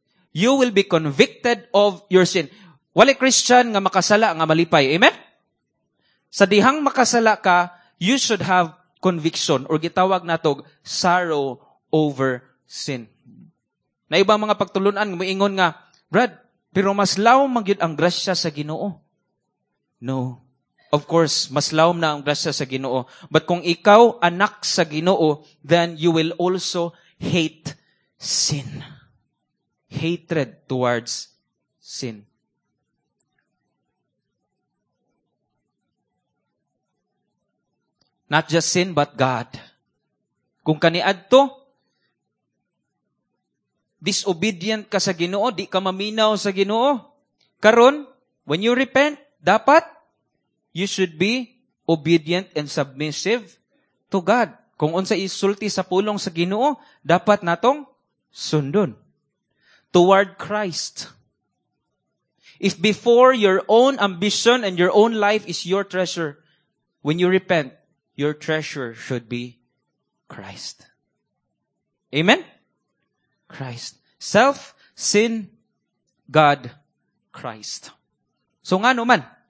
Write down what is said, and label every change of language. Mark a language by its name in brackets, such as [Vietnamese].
[English] You will be convicted of your sin. [Cebuano] Wala Christian nga makasala, nga malipay. [English] Amen? [Cebuano] Sa diyang makasala ka, [English] you should have conviction, or [Cebuano] gitawag natog [English] sorrow over sin. [Cebuano] Na iba mga pagtulunan, muingon nga, Brad, pero mas laom magyud ang grasya sa Ginoo. No. [English] Of course, [Cebuano] mas laom na ang grasya sa Ginoo. [English] But [Cebuano] kung ikaw anak sa Ginoo, [English] then you will also hate sin. Hatred towards sin. Not just sin, but God. [Cebuano] Kung kaniadto, disobedient ka sa Ginoo, di ka maminaw sa Ginoo, karon, [English] when you repent, dapat, you should be obedient and submissive to God. [Cebuano] Kung unsa isulti sa pulong sa Ginoo, dapat natong sundon. [English] Toward Christ. If before your own ambition and your own life is your treasure, when you repent, your treasure should be Christ. Amen? Christ. Self, sin, God, Christ. [Cebuano] So ngano man?